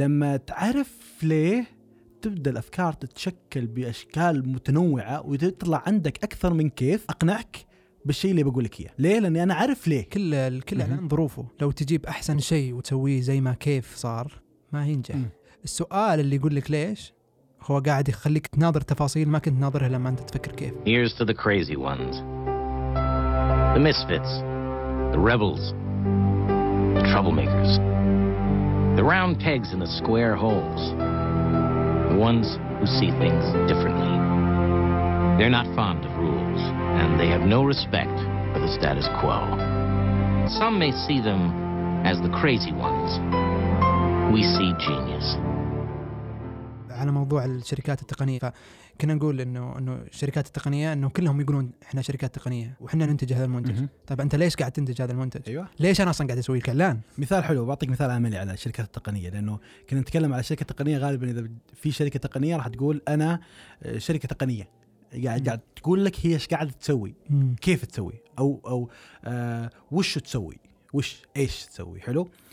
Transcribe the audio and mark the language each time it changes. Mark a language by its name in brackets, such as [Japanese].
[Arabic] لما تعرف ليه تبدأ الأفكار تتشكل بأشكال متنوعة وتطلع عندك أكثر من كيف أقنعك بالشيء اللي بقولك إياه. ليه؟ لأني أنا عارف ليه. كل إعلان ظروفه، لو تجيب أحسن شيء وتسويه زي ما كيف صار ما ينجح. السؤال اللي يقولك ليش هو قاعد يخليك تناظر تفاصيل ما كنت ناظرها لما أنت تفكر كيف. [English] Here's to the crazy ones, the misfits, the rebels, the troublemakers, the round pegs in the square holes, the ones who see things differently. They're not fond of rules, and they have no respect for the status quo. Some may see them as the crazy ones. We see genius. [Arabic] على موضوع الشركات التقنية، كنا نقول انه الشركات التقنيه انه كلهم يقولون احنا شركات تقنيه واحنا ننتج هذا المنتج. طيب انت ليش قاعد تنتج هذا المنتج؟ أيوة. ليش انا اصلا قاعد اسوي الكلام؟ مثال حلو بعطيك مثال عملي على الشركات التقنيه، لانه كنا نتكلم على شركه تقنيه غالبا اذا في شركه تقنيه راح تقول انا شركه تقنيه، قاعد تقول لك هي ايش قاعد تسوي، كيف تسوي، او وش تسوي، وش ايش تسوي. حلو.